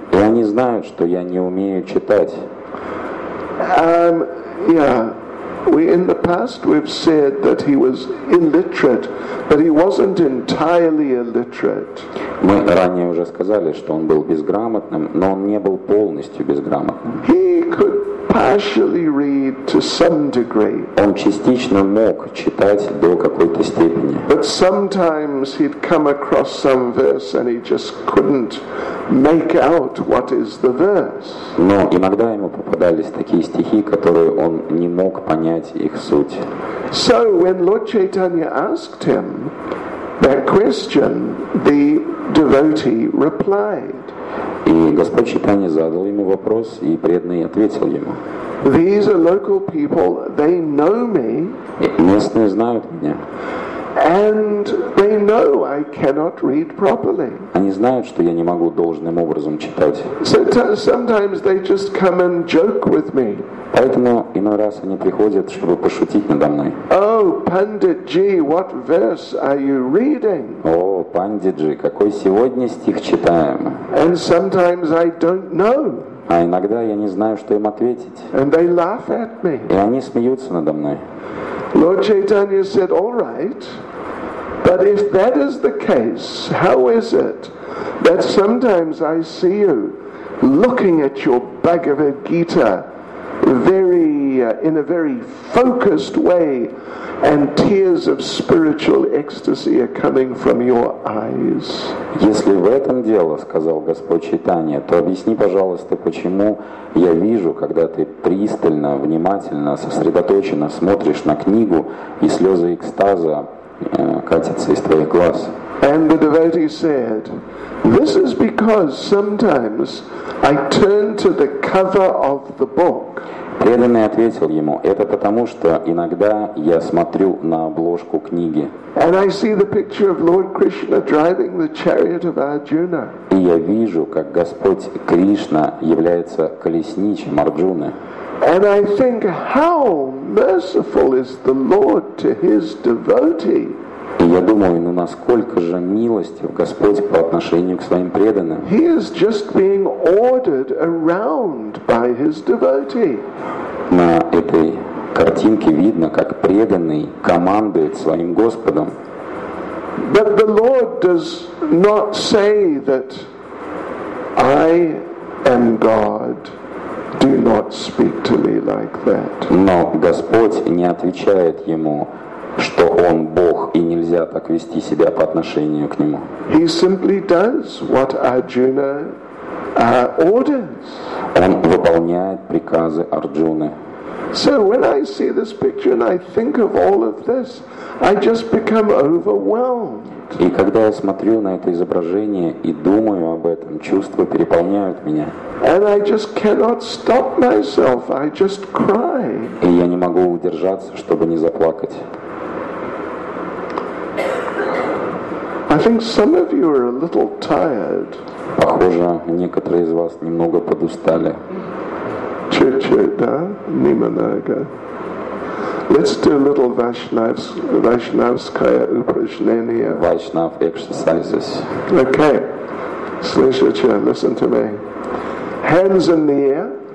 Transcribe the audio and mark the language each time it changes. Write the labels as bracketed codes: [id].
[ru] И они знают, что я не умею читать. [en] Yeah. In the past we've said that he was illiterate, but he wasn't entirely illiterate. [ru] Мы ранее уже сказали, что он был безграмотным, но он не был полностью безграмотным. [en] He could partially read to some degree. [ru] Он частично мог читать до какой-то степени. [en] But sometimes he'd come across some verse and he just couldn't make out what is the verse. [ru] Но иногда ему попадались такие стихи, которые он не мог понять их суть. [en] So when Lord Chaitanya asked him that question, the devotee replied. [ru] И Господь Чайтанья задал ему вопрос, и преданный ответил ему. [en] These are local people, they know me. [ru] Местные знают меня. [en] And they know I cannot read properly. [ru] Они знают, что я не могу должным образом читать. [en] So sometimes they just come and joke with me. [ru] Поэтому иной раз они приходят, чтобы пошутить надо мной. [en] Oh, Pandit G, what verse are you reading? [ru] О, Пандит Джи, какой сегодня стих читаем? [en] And sometimes I don't know. [ru] А иногда я не знаю, что им ответить. [en] And they laugh at me. [ru] И они смеются надо мной. [en] Lord Chaitanya said, "All right, but if that is the case, how is it that sometimes I see you looking at your Bhagavad Gita in a very focused way, and tears of spiritual ecstasy are coming from your eyes?" [ru] Если в этом дело, сказал Господь Чайтанья, то объясни, пожалуйста, почему я вижу, когда ты пристально, внимательно, сосредоточенно смотришь на книгу, и слезы экстаза катятся из твоих глаз. [en] And the devotee said, "This is because sometimes I turn to the cover of the book." [ru] Преданный ответил ему, это потому, что иногда я смотрю на обложку книги. [en] And I see the picture of Lord Krishna driving the chariot of Arjuna. [ru] И я вижу, как Господь Кришна является колесничем Арджуны. [en] And I think, how merciful is the Lord to his devotee. [ru] И я думаю, ну насколько же милостив Господь по отношению к своим преданным. [en] He is just being ordered around by his devotee. [ru] На этой картинке видно, как преданный командует своим Господом. [en] But the Lord does not say that I am God. Do not speak to me like that. [ru] Но Господь не отвечает ему, что он Бог и нельзя так вести себя по отношению к нему. [en] He simply does what Arjuna orders. [ru] Он выполняет приказы Арджуны. [en] So when I see this picture and I think of all of this, I just become overwhelmed. [ru] И когда я смотрю на это изображение и думаю об этом, чувства переполняют меня. [en] And I just cannot stop myself. I just cry. [ru] И я не могу удержаться, чтобы не заплакать. [en] I think some of you are a little tired. [ru] Похоже, некоторые из вас немного подустали. Чуть-чуть, да? Немного. [en] Let's do a little [ru] Vaishnavskaya upraznenie. [en] Vaishnav exercises. Okay. [ru] Слышите, [en] listen to me. Hands in the air.